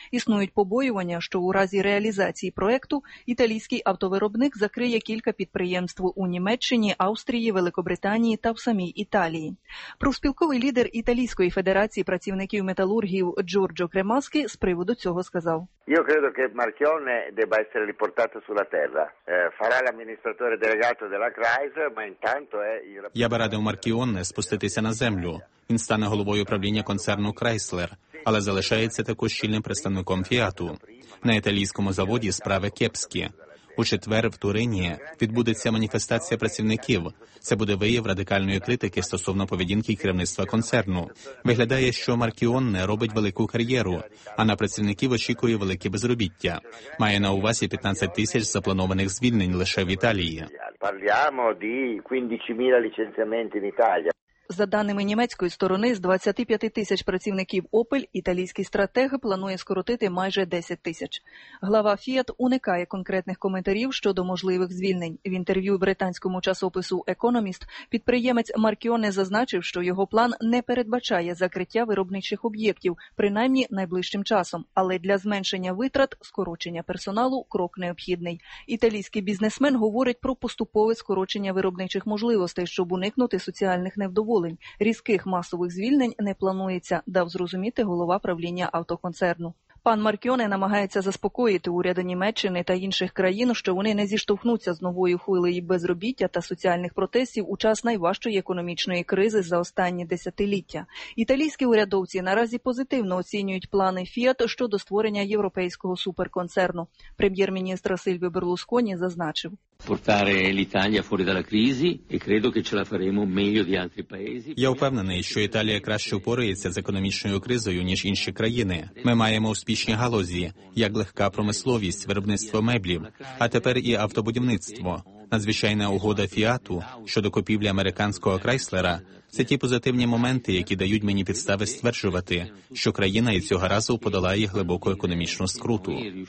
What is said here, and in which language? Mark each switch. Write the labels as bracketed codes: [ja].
[uk] Існують побоювання, що у разі реалізації проекту італійський автовиробник закриє кілька підприємств у Німеччині, Австрії, Великобританії та в самій Італії. Спілковий лідер Італійської федерації працівників металургів Джорджо Кремаски з приводу цього сказав. [it] Io credo che Marchionne debba essere riportato sulla terra. Farà l'amministratore delegato della Chrysler, ma intanto è il... [uk] Я би радив Marchionne спуститися на землю. Він стане головою управління концерну Chrysler, але залишається також щільним представником «Фіату». На італійському заводі справи кепські. У четвер в Турині відбудеться маніфестація працівників. Це буде вияв радикальної критики стосовно поведінки керівництва концерну. Виглядає, що Маркіонне робить велику кар'єру, а на працівників очікує велике безробіття. Має на увазі 15 тисяч запланованих звільнень лише в Італії. [it] Parliamo di 15.000 licenziamenti in Italia. [uk] За даними німецької сторони, з 25 тисяч працівників Opel італійський стратег планує скоротити майже 10 тисяч. Глава Fiat уникає конкретних коментарів щодо можливих звільнень. В інтерв'ю британському часопису Economist підприємець Маркіоне зазначив, що його план не передбачає закриття виробничих об'єктів, принаймні найближчим часом. Але для зменшення витрат, скорочення персоналу – крок необхідний. Італійський бізнесмен говорить про поступове скорочення виробничих можливостей, щоб уникнути соціальних невдоволень. Різких масових звільнень не планується, дав зрозуміти голова правління автоконцерну. Пан Маркіоне намагається заспокоїти уряди Німеччини та інших країн, що вони не зіштовхнуться з новою хвилею безробіття та соціальних протестів у час найважчої економічної кризи за останні десятиліття. Італійські урядовці наразі позитивно оцінюють плани Fiat щодо створення європейського суперконцерну. Прем'єр-міністр Сильвіо Берлусконі зазначив. [it] Portare l'Italia fuori dalla crisi e credo che ce la faremo meglio di altri paesi. [uk] Я впевнений, що Італія краще впорається з економічною кризою, ніж інші країни. Ми маємо успішні галузі, як легка промисловість, виробництво меблів, а тепер і автобудівництво. Надзвичайна угода Фіату щодо купівлі американського Крайслера – це ті позитивні моменти, які дають мені підстави стверджувати, що країна і цього разу подолає глибоку економічну скруту.